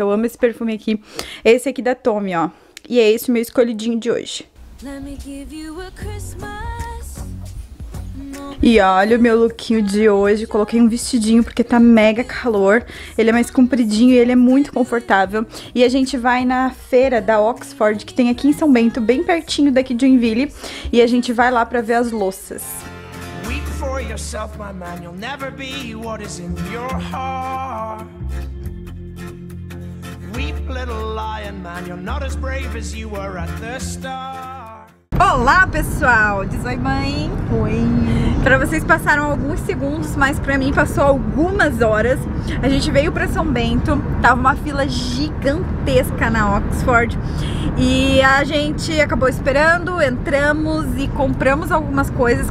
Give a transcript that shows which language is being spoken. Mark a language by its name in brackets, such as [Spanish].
[Portuguese] Eu amo esse perfume aqui. Esse aqui da Tommy, ó. E é esse o meu escolhidinho de hoje. [English] Let me give you a Christmas. [Portuguese] No E olha o meu lookinho de hoje. Coloquei um vestidinho porque tá mega calor. Ele é mais compridinho e ele é muito confortável. E a gente vai na feira da Oxford, que tem aqui em São Bento, bem pertinho daqui de Joinville. E a gente vai lá pra ver as louças. [English] Weep for yourself, my man. You'll never be what is in your heart. Weep, little lion man. You're not as brave as you were at the start. [Portuguese] Olá, pessoal! Diz oi, mãe! Oi! Para vocês passaram alguns segundos, mas para mim passou algumas horas. A gente veio para São Bento, tava uma fila gigantesca na Oxford e a gente acabou esperando, entramos e compramos algumas coisas.